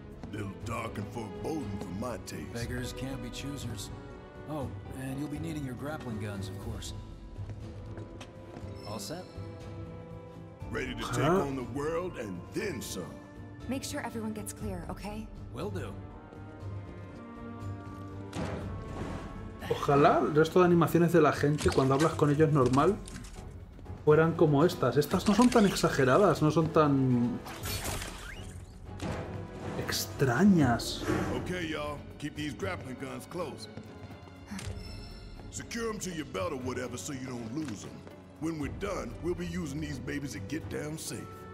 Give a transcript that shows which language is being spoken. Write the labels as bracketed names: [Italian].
[English] Little dark and foreboding for my taste. Beggars can't be choosers. Oh, and you'll be needing your grappling guns, of course. All set? Ready to take on the world and then some. Make sure everyone gets clear, okay? Will do. [Spanish] Ojalá el resto de animaciones de la gente cuando hablas con ellos normal fueran como estas. Estas no son tan exageradas, no son tan extrañas. [English] Okay, y'all, keep these grappling guns close. Secure them to your belt or whatever so you don't lose them. When we're done, we'll be using these babies to get down safe.